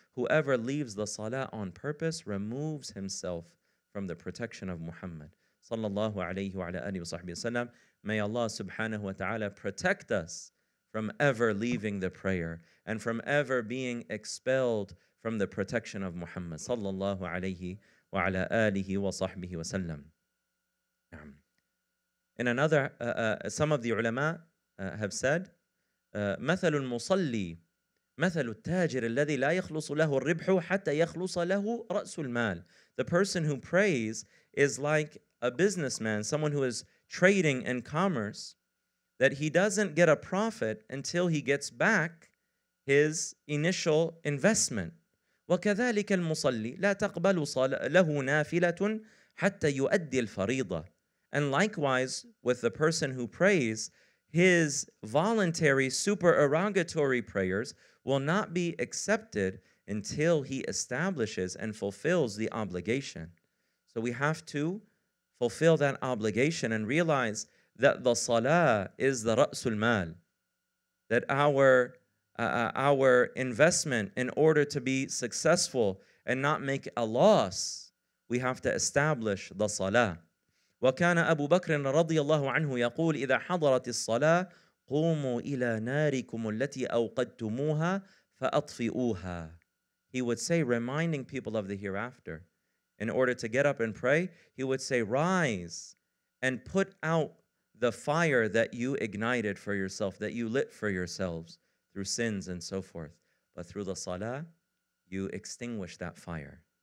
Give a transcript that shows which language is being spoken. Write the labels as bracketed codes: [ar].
[en] Whoever leaves the salah on purpose removes himself from the protection of Muhammad sallallahu alayhi wa alihi wa sahbihi wasallam. May Allah subhanahu wa ta'ala protect us from ever leaving the prayer and from ever being expelled from the protection of Muhammad sallallahu alayhi wa alihi wa sahbihi wasallam. In another, some of the ulama have said, [ar] مثل المصلي مثل التاجر الذي لا يخلص له الربح حتى يخلص له رأس المال. [en] The person who prays is like a businessman, someone who is trading in commerce, that he doesn't get a profit until he gets back his initial investment. [ar] وكذلك المصلي لا تقبل له نافلة حتى يؤدي الفريضة. [en] And likewise, with the person who prays, his voluntary supererogatory prayers will not be accepted until he establishes and fulfills the obligation. So we have to fulfill that obligation and realize that the salah is the ra'sul mal, that our investment, in order to be successful and not make a loss, we have to establish the salah. [ar] وكان أبو بكر رضي الله عنه يقول إذا حضرت الصلاة قوموا إلى ناركم التي أوقدتموها فأطفئوها. [en] He would say, reminding people of the hereafter, in order to get up and pray, he would say, rise and put out the fire that you ignited for yourself, that you lit for yourselves through sins and so forth. But through the salah, you extinguish that fire.